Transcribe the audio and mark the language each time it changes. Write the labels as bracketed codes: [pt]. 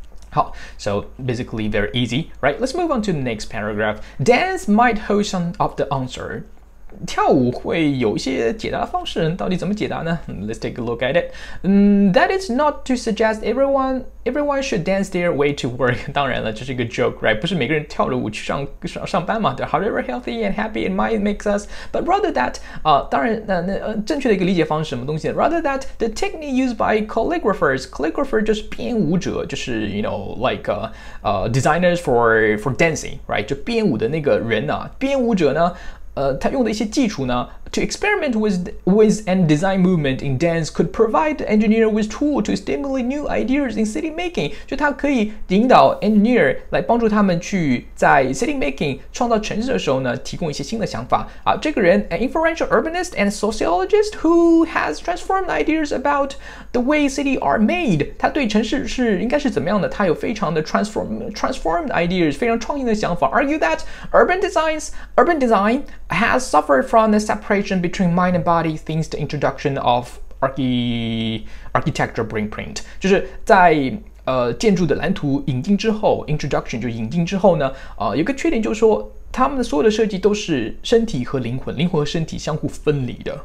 [en] 好 so basically very easy, right? Let's move on to the next paragraph. Dance might hold some of the answer. [zh] 跳舞会有一些解答方式，到底怎么解答呢？ [en] Let's take a look at it. That is not to suggest everyone should dance their way to work. [zh] 当然了，这是一个 [en] joke, right? [zh] 不是每个人跳着舞去上班嘛？ [en] 对，However healthy and happy it might make us, but rather that [zh] 啊、当然那、正确的一个理解方式什么东西？ [en] Rather that the technique used by calligrapher [zh] 就是编舞者，就是 [en] you know like designers for dancing, right? [zh] 就编舞的那个人啊，编舞者呢？他用的一些技术呢 [en] ，to experiment with and design movement in dance could provide engineer with tool to stimulate new ideas in city making。 [zh] 就他可以引导 engineer 来帮助他们去在 city making 创造城市的时候呢，提供一些新的想法。啊，这个人 [en] ，an influential urbanist and sociologist who has transformed ideas about the way city are made。 [zh] 他对城市是应该是怎么样的？他有非常的 [en] transformed ideas， [zh] 非常创新的想法。 [en] Argue that urban design has suffered from the separation between mind and body since the introduction of architectural blueprint. [zh] 就是在建筑的蓝图引进之后 ，introduction 就引进之后呢，有个缺点就是说，他们的所有的设计都是身体和灵魂，灵魂和身体相互分离的。